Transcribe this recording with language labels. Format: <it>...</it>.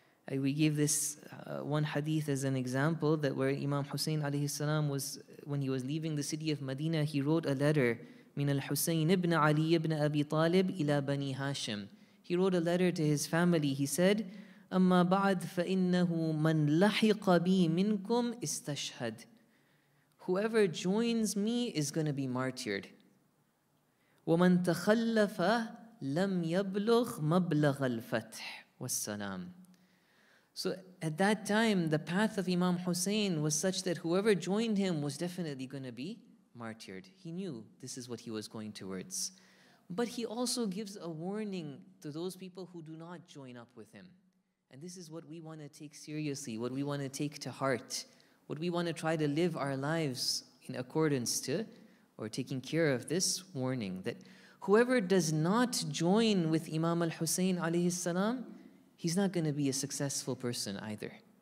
<en>We give this one hadith as an example, that where Imam Hussein alayhi salam was, when he was leaving the city of Medina, he wrote a letter, min al-Hussein ibn Ali ibn Abi Talib ila Bani Hashim. He wrote a letter to his family. He said,</en> <ar>أما بعد فإنه من لحق بي منكم استشهد.</ar> <en>Whoever joins me is going to be martyred.</en> <ar>ومن تخلف لم يبلغ مبلغ الفتح والسلام.</ar> <en>So at that time, the path of Imam Hussein was such that whoever joined him was definitely going to be martyred. He knew this is what he was going towards. But he also gives a warning to those people who do not join up with him. And this is what we want to take seriously, what we want to take to heart, what we want to try to live our lives in accordance to, or taking care of this warning, that whoever does not join with Imam al-Hussein alayhi salam, he's not going to be a successful person either.</en>